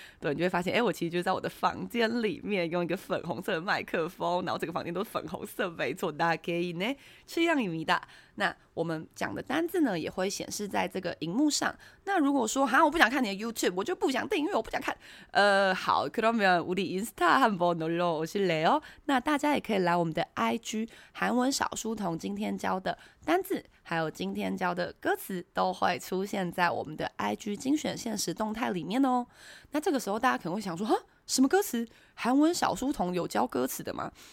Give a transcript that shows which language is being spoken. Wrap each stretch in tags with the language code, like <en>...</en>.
<zh>对，你就会发现，哎，我其实就在我的房间里面用一个粉红色的麦克风，然后这个房间都是粉红色，没错，大家可以呢，吃样一米大。那我们讲的单字呢，也会显示在这个荧幕上。那如果说哈，我不想看你的 YouTube， 我就不想订阅，我不想看。</zh> <ko>好，그러면우리 Insta 한번놀러오실래요？</ko> <zh>那大家也可以来我们的 IG 韩文小书童，今天教的单字，还有今天教的歌词，都会出现在我们的 IG 精选限时动态里面哦。那这个时候大家可能会想说，哈，什么歌词？韩文小书童有教歌词的吗？</zh>